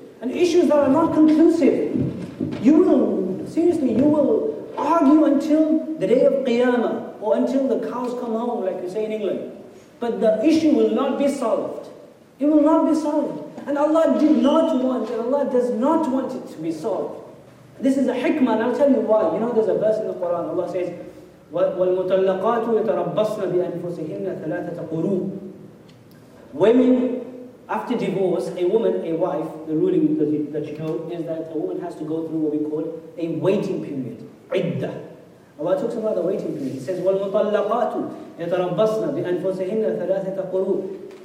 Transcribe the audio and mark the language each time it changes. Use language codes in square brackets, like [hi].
[en] And issues that are not conclusive. You will, seriously, you will argue until the day of Qiyamah, or until the cows come home, like you say in England. But the issue will not be solved. It will not be solved. And Allah did not want it. Allah does not want it to be solved. This is a hikmah, and I'll tell you why. You know, there's a verse in the Quran. Allah says, [ar] وَالْمُتَلَّقَاتُ يَتَرَبَّصْنَ بِأَنفُسِهِنَّ ثَلَاثَةَ قُرُوءٍ. [en] Women, after divorce, a woman, a wife, the ruling that you know is that a woman has to go through what we call a waiting period, عِدَّة. Allah talks about the waiting period. He says, [ar] وَالْمُطَلَّقَاتُ يَتَرَبَّصْنَ بِأَنفُسِهِنَّ ثَلَاثَةَ قُرُوءٍ.